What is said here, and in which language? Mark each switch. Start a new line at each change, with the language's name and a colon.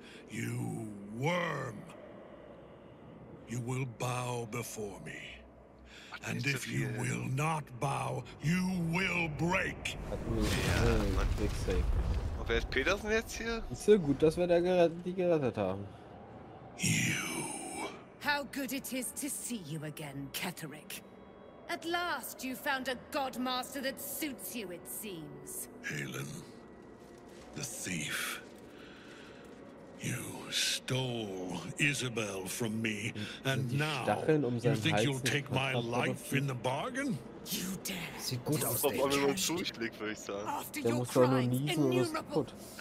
English: You worm. you will bow before me. And if you will not bow, you will break.
German: Und wer ist Petersen jetzt hier? Ist so gut, dass wir die gerettet haben.
English: You. How good it is to see you again, Ketherick. At last you found a godmaster that suits you, it seems. Halen, the thief. You stole Isabel from me, and now you think you'll take my life in the bargain? You dare.
German: Sieht gut aus, ob man nur zuschlägt, würde ich sagen. Der muss doch nur niesen und ist kaputt.